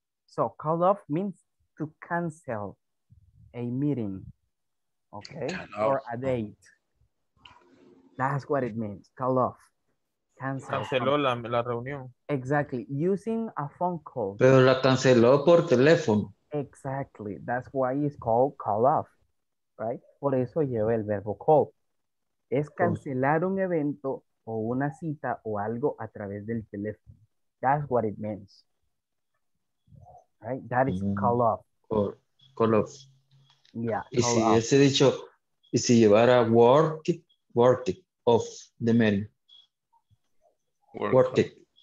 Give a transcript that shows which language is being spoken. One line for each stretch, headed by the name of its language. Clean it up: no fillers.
English: So call off means to cancel a meeting, okay? Or a date. That's what it means, call off. Cancel.
Spanish: Canceló la reunión.
English: Exactly, using a phone call.
Spanish: Pero la canceló por teléfono.
English: Exactly, that's why it's called call off, right?
Spanish: Por eso lleva el verbo call. Es cancelar un evento o una cita o algo a través del teléfono.
English: That's what it means. Right? That is call off. Call, color. Yeah.
Spanish: Y si hubiese dicho, y si llevara
English: worked of the men. Worked.